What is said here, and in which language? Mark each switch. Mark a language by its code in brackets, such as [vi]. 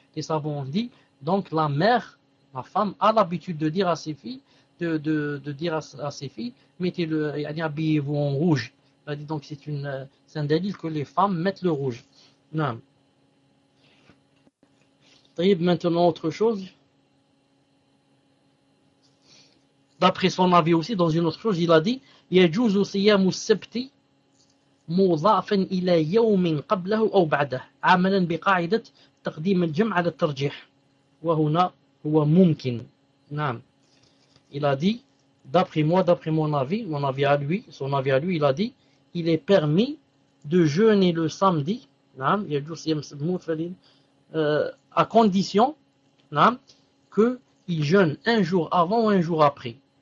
[fr] Les savants ont dit, donc la mère, la femme, a l'habitude de dire à ses filles, de dire à ses filles, mettez-le, yani, habillez-vous en rouge. Il a dit donc c'est un délit que les femmes mettent le rouge. Non. Taïb, maintenant autre chose. D'après son avis aussi, dans une autre chose, il a dit [ar] يجوز صيام السبت مضافا إلى يوم قبله أو بعده عملا بقاعدة تقديم الجمع على الترجيح. وهنا هو ممكن. نعم. [fr] Il a dit, d'après mon avis à lui, son avis à lui, il a dit, il est permis de jeûner le samedi, à condition qu'il jeûne un jour avant ou un jour après.